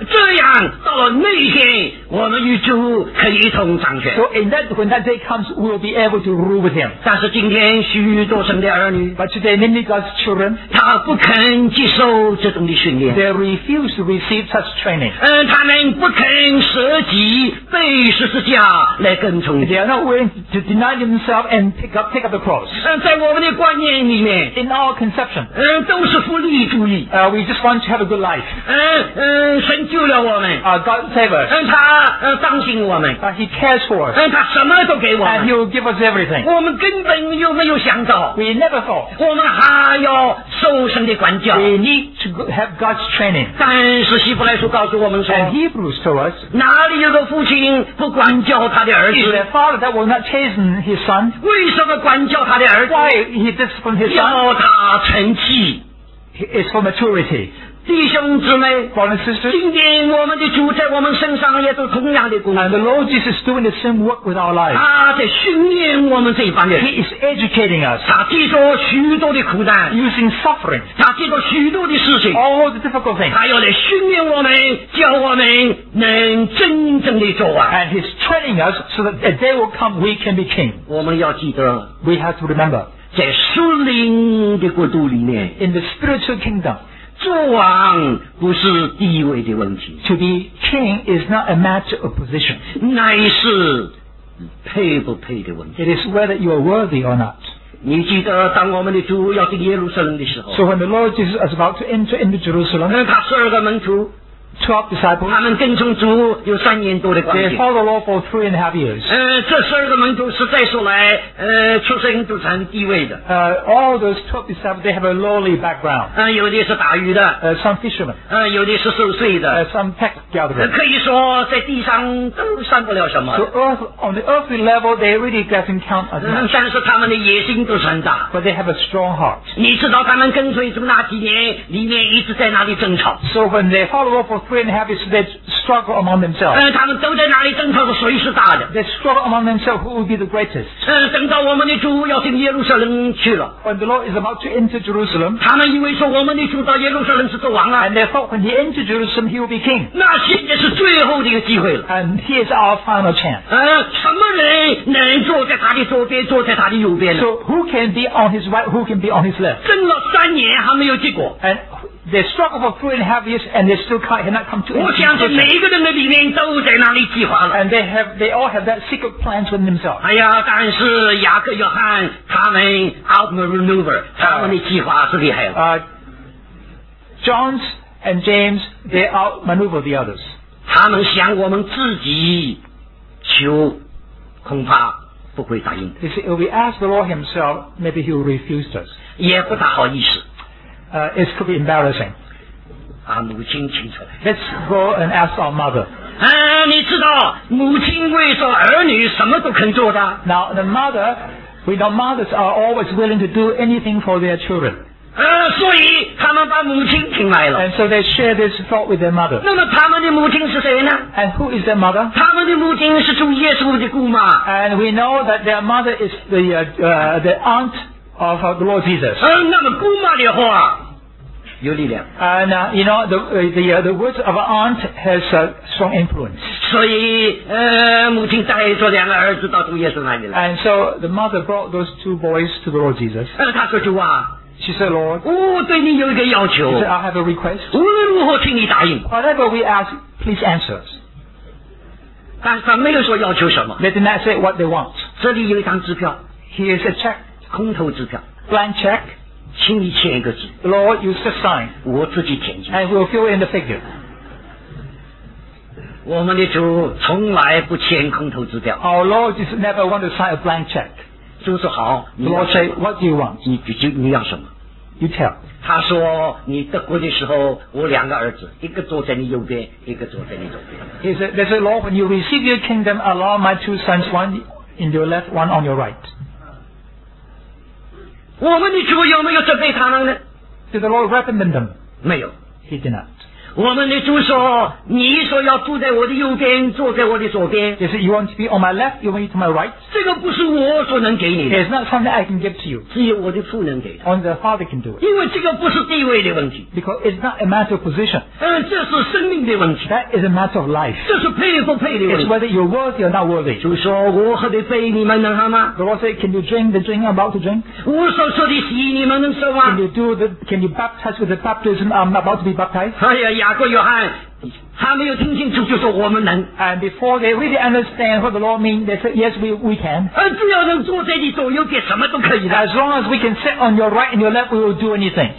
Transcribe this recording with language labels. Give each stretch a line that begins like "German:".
Chinese: 这样到了那一天，我们与主可以一同掌权。
English: So in that, when that day comes, we'll be able to rule with him.
Chinese: 但是今天许多生
English: But today, many God's children,
Chinese: 他不肯接受这种的训练。
English: They refuse to receive such training.
Chinese: 他们不肯舍己背十字架来跟从。
English: They are not willing to deny themselves and take up the cross.
Chinese: 在我们的观念里面
English: ，in our conception,
Chinese: 都是福利主义。
English: We just want to have a good life.
Chinese: 神救了我们。
English: God save us.
Chinese: 他当心我们。
English: He cares for us.
Chinese: 他什么都给我们。
English: And he'll give us everything.
Chinese: 我们根本又没有想到。
English: We never thought.
Chinese: 我们还要受神的管教。
English: We need to have God's training.
Chinese: 但是希伯来书告诉我们说
English: And Hebrews told us,
Chinese: 哪里有个父亲不管教他的儿子
English: Is there a father that will not chasten his son?
Chinese: 为什么管教他的儿子
English: Why he disciplined his son?
Chinese: 要他成器
English: It's for maturity.
Chinese: 弟兄姊妹
English: Brothers and sisters,
Chinese: 今天我们的主在我们身上也做同样的工作
English: And the Lord Jesus is doing the same work with our lives
Chinese: 他在训练我们这一帮人
English: He is educating us
Chinese: 他接受许多的苦难
English: Using suffering
Chinese: 他接受许多的事情
English: All the difficult things
Chinese: 他要来训练我们教我们能真正的做完
English: And he's training us so that a day will come we can be king
Chinese: 我们要记得
English: We have to remember
Chinese: 在属灵的国度里面
English: In the spiritual kingdom
Chinese: 做王不是地位的问题。
English: To be king is not a matter of position.
Chinese: 乃是配不配的问题。
English: It is whether you are worthy or not.
Chinese: 你记得当我们的主要进耶路撒冷的时候。
English: So when the Lord Jesus is about to enter into Jerusalem.
Chinese: 他十二个门徒。
English: 12 disciples.
Chinese: 他们跟从主有三年多的关系。
English: They followed the Lord for 3.5 years.
Chinese: 这十二个门徒实在说来出身都是很低位的。
English: All those 12 disciples, they have a lowly background.
Chinese: 有的是打鱼的。
English: Some fishermen.
Chinese: 有的是受税的。
English: Some tax gatherers.
Chinese: 可以说在地上都算不了什么。
English: So on the earthly level, they really doesn't count as much.
Chinese: 但是他们的野心都是很大。
English: But they have a strong heart.
Chinese: 你知道他们跟随主那几年里面一直在那里争吵。
English: So when they follow for 3.5 years, they struggle among themselves.
Chinese: 他们都在哪里争吵着谁是大的。
English: They struggle among themselves, who will be the greatest.
Chinese: 等到我们的主要进耶路撒冷去了。
English: When the Lord is about to enter Jerusalem,
Chinese: 他们以为说我们的主到耶路撒冷是做王了。
English: And they thought when he entered Jerusalem, he will be king.
Chinese: 那现在是最后的一个机会了。
English: And here's our final chance.
Chinese: 什么人能坐在他的左边，坐在他的右边呢？
English: So who can be on his right, who can be on his left?
Chinese: 争了三年还没有结果。
English: And They struggle for 3.5 years and they still cannot come to end. And they all have that secret plans within themselves.
Chinese: 哎呀，但是雅各、约翰他们
English: outmaneuver
Chinese: 他们的计划是厉害了。
English: John's and James, they outmaneuver the others.
Chinese: 他们想我们自己求，恐怕不会答应。
English: You see, if we ask the Lord himself, maybe he will refuse us.
Chinese: 也不大好意思。
English: It could be embarrassing.
Chinese: 母亲清楚。
English: Let's go and ask our mother.
Chinese: 你知道母亲为说儿女什么都肯做的。
English: Now the mother, we know mothers are always willing to do anything for their children.
Chinese: 所以他们把母亲请来了。
English: And so they share this thought with their mother.
Chinese: 那么他们的母亲是谁呢？
English: And who is their mother?
Chinese: 他们的母亲是主耶稣的姑妈。
English: And we know that their mother is the aunt. Of the Lord Jesus.
Chinese: 那么姑妈的话有力量。
English: And you know the words of an aunt has a strong influence.
Chinese: 所以母亲带着两个儿子到主耶稣那里来。
English: And so the mother brought those two boys to the Lord Jesus.
Chinese: 她说主啊。
English: She said, Lord.
Chinese: 我对你有一个要求。
English: She said, I have a request.
Chinese: 无论如何，请你答应。
English: Whatever we ask, please answer us.
Chinese: 但是她没有说要求什么。
English: They did not say what they want.
Chinese: 这里有一张支票。
English: Here's a check.
Chinese: 空头支票
English: blank check
Chinese: 请你签一个字。
English: Lord, you set sign.
Chinese: 我自己填进去。
English: And we'll fill in the figure.
Chinese: 我们的主从来不签空头支票。
English: Our Lord is never want to sign a blank check.
Chinese: 主说好。
English: The Lord say, what do you want?
Chinese: 你要什么？
English: You tell.
Chinese: 他说你得国的时候我两个儿子一个坐在你右边一个坐在你左边。
English: He said, they said, Lord, when you receive your kingdom, allow my two sons, one in your left, one on your right.
Chinese: 我们的主有没有准备他们呢？
English: Did the Lord reprimand them?
Chinese: 没有。
English: He did not.
Chinese: 我们的主说你说要住在我的右边坐在我的左边。
English: He said, you want to be on my left, you want to be on my right?
Chinese: 这个不是我所能给你的。
English: It's not something I can give to you.
Chinese: 只有我的父能给他。
English: Only the Father can do it.
Chinese: 因为这个不是地位的问题。
English: Because it's not a matter of position.
Chinese: 这是生命的问题。
English: That is a matter of life.
Chinese: 这是配不配的问题。
English: It's whether you're worthy or not worthy.
Chinese: 主说我喝的杯你们能喝吗？
English: The Lord said, can you drink the drink I'm about to drink?
Chinese: 我所说的洗你们能受吗？
English: Can you baptize with the baptism I'm about to be baptized?
Chinese: 哎呀雅各约翰他没有听清楚就说我们能
English: and before they really understand what the Lord means they said yes we can
Chinese: 只要能坐在你左右边什么都可以的
English: as long as we can sit on your right and your left we will do anything